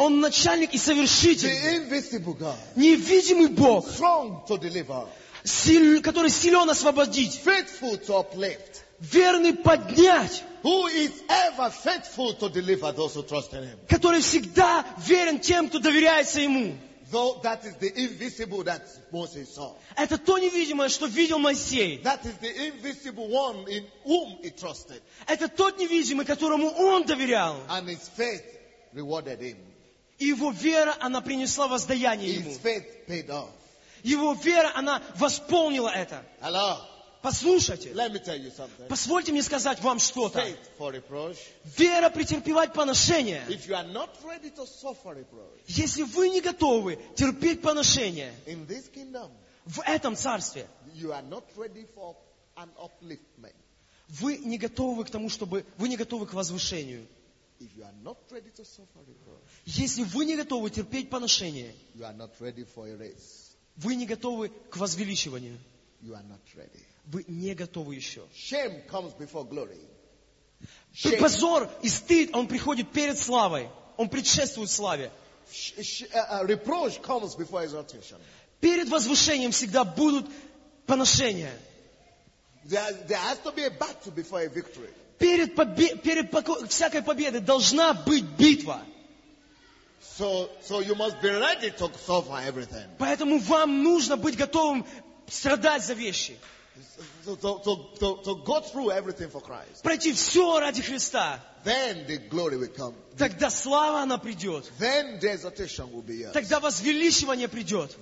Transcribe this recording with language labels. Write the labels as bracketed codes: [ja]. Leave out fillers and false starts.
[ru] Он начальник и совершитель. [en] The invisible God. [ru] Невидимый Бог. [en] Strong to deliver. [ru] Который силен освободить. [en] Faithful to uplift. [ru] Верный поднять. [en] Who is ever faithful to deliver those who trust in him. [ru] Который всегда верен тем, кто доверяется ему. [en] Though that is the invisible that Moses saw. [ru] Это то невидимое, что видел Моисей. [en] That is the invisible one in whom he trusted. [ru] Это тот невидимый, которому он доверял. [en] And his faith rewarded him. [ru] Его вера, она принесла воздаяние ему. [en] His faith paid off. [ru] Его вера, она восполнила это. [en] Hello. [ru] Послушайте. [en] Let me tell you something. [ru] Позвольте мне сказать вам что-то. [en] Faith for reproach. [ru] Вера претерпевать поношение. [en] If you are not ready to suffer reproach. [ru] Если вы не готовы терпеть поношение. [en] In this kingdom. [ru] В этом царстве. [en] You are not ready for an upliftment. [ru] Вы не готовы к возвышению. [en] If you are not ready to suffer reproach. [ru] Если вы не готовы терпеть поношение. [en] You are not ready for a race. [ru] Вы не готовы к возвеличиванию. [en] You are not ready. [ru] Вы не готовы еще. [en] Shame comes before glory. [ru] Позор и стыд, он приходит перед славой. Он предшествует славе. [en] Reproach comes before exaltation. [ru] Перед возвышением всегда будут поношения. [en] There has to be a battle before a victory. [ru] Перед всякой победой должна быть битва. [en] So you must be ready to suffer everything. [ru] Поэтому вам нужно быть готовым страдать за вещи. [en] To go through everything for Christ. [ru] Пройти все ради Христа. [en] Then the glory will come. [ru] Тогда слава она придет. [en] Then the exaltation will be yours. [ru] Тогда возвеличивание придет.